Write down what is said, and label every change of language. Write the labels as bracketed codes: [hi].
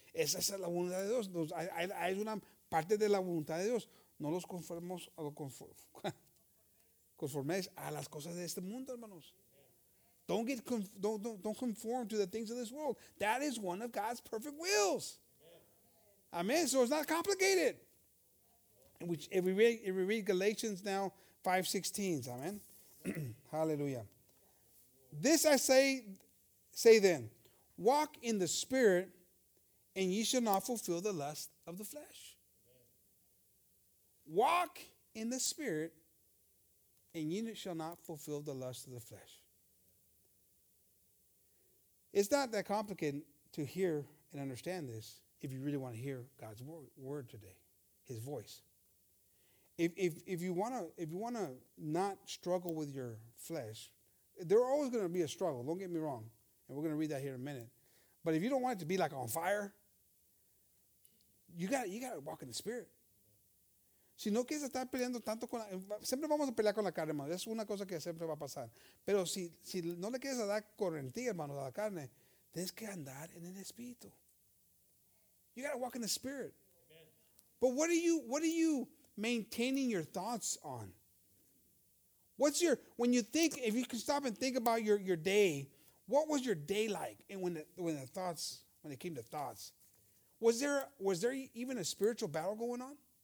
[es] Esa es la voluntad de Dios. Hay una parte de la voluntad de Dios. No los conformemos a conforméis a las cosas de este mundo, hermanos. [en] Don't conform to the things of this world. That is one of God's perfect wills. Amen. So it's not complicated. Which if we read Galatians now 5:16, amen. Hallelujah. This I say then, walk in the Spirit, and ye shall not fulfill the lust of the flesh. Walk in the Spirit, and ye shall not fulfill the lust of the flesh. It's not that complicated to hear and understand this. If you really want to hear God's word today, His voice, if you want to not struggle with your flesh, there's always going to be a struggle. Don't get me wrong, and we're going to read that here in a minute. But if you don't want it to be like on fire, you got to walk in the Spirit. [es] Si no quieres estar peleando tanto con la, siempre vamos a pelear con la carne, hermano. Es una cosa que siempre va a pasar. Pero si no le quieres dar corriente, hermano, a la carne, tienes que andar en el Espíritu. [en] You got to walk in the Spirit. Amen. But what are you maintaining your thoughts on? What's your, when you think, if you can stop and think about your day, what was your day like? And when it came to thoughts, was there even a spiritual battle going on?